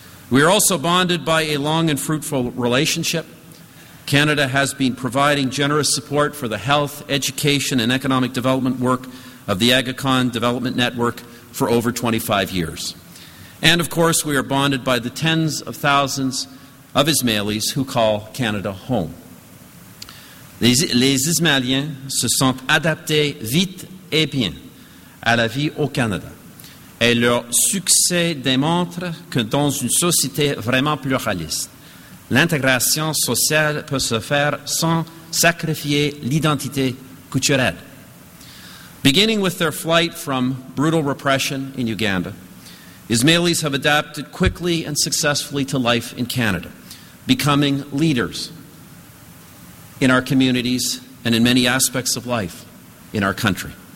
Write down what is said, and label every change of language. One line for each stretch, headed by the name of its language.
English: We are also bonded by a long and fruitful relationship. Canada has been providing generous support for the health, education, and economic development work of the Aga Khan Development Network for over 25 years. And of course, we are bonded by the tens of thousands of Ismailis who call Canada home.
French: Les Ismaéliens se sont adaptés vite et bien à la vie au Canada. Et leur succès démontre que dans une société vraiment pluraliste, l'intégration sociale peut se faire sans sacrifier l'identité culturelle.
English: Beginning with their flight from brutal repression in Uganda, Ismailis have adapted quickly and successfully to life in Canada, becoming leaders in our communities, and in many aspects of life in our country.